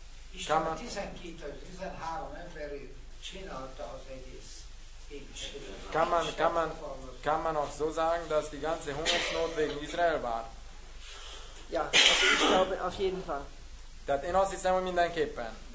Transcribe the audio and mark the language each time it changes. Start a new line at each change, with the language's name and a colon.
Hungarian: Isten 12-13 emberét csinálta az egész.
German: Kann man auch so sagen, dass die ganze Hungersnot wegen Israel war? Ja, also ich glaube auf jeden Fall.
Hungarian: Tehát én azt hiszem, hogy mindenképpen.